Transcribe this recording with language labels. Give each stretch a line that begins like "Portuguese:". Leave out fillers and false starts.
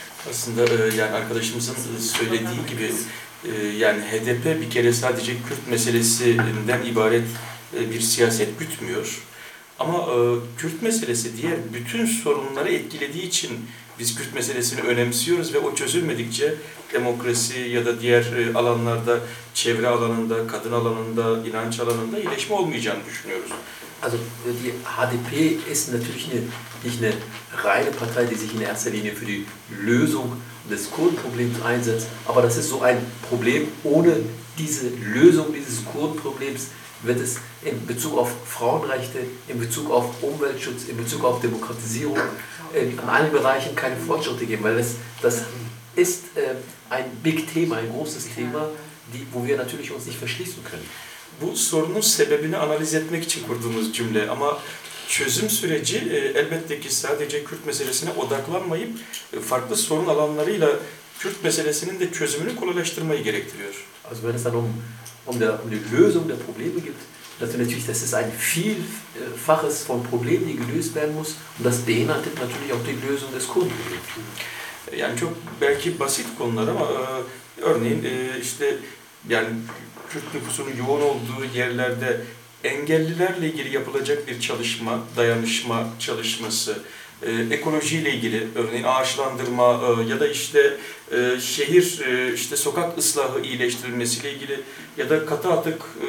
Turkish: Aslında yani arkadaşımızın söylediği gibi yani HDP bir kere sadece Kürt meselesinden ibaret bir siyaset gütmüyor. Ama Kürt meselesi diğer bütün sorunları etkilediği için biz Kürt meselesini önemsiyoruz ve o çözülmedikçe demokrasi ya da diğer alanlarda, çevre alanında, kadın alanında, inanç alanında iyileşme olmayacağını düşünüyoruz.
German: Also die HDP ist natürlich nicht eine reine Partei, die sich in erster Linie für die Lösung des Kurdenproblems einsetzt, aber das ist so ein Problem. Ohne diese Lösung dieses Kurdenproblems wird es in Bezug auf Frauenrechte, in Bezug auf Umweltschutz, in Bezug auf Demokratisierung in allen Bereichen keine Fortschritte geben, weil das ist ein Big Thema, ein großes Thema, wo wir natürlich uns nicht verschließen können.
Turkish: Bu sorunun sebebini analiz etmek için kurduğumuz cümle ama çözüm süreci elbette ki sadece Kürt meselesine odaklanmayıp farklı sorun alanlarıyla Kürt meselesinin de çözümünü kolaylaştırmayı gerektiriyor.
German: Also wenn es dann um die Lösung der Probleme geht, natürlich das ist ein vielfaches von Problemen, die gelöst werden muss und das beinhaltet natürlich auch die Lösung des Kurdenproblems.
Turkish: Yani çok belki basit konular ama örneğin işte yani Kürt nüfusunun yoğun olduğu yerlerde engellilerle ilgili yapılacak bir çalışma, dayanışma çalışması, ekolojiyle ilgili örneğin ağaçlandırma ya da işte şehir, işte sokak ıslahı iyileştirilmesiyle ilgili ya da katı atık